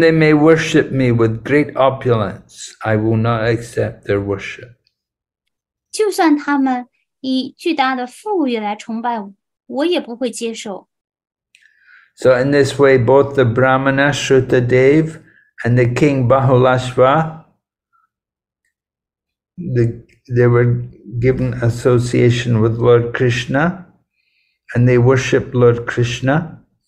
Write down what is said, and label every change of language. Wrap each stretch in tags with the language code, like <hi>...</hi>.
<en>they may worship me with great opulence, I will not accept their worship.</en> <zh>就算他们以巨大的富裕来崇拜我，我也不会接受。</zh> <en>So in this way, both the Brahmana Shrutadev and the king Bahulashva, they were given association with Lord Krishna, and they worshipped Lord Krishna.</en>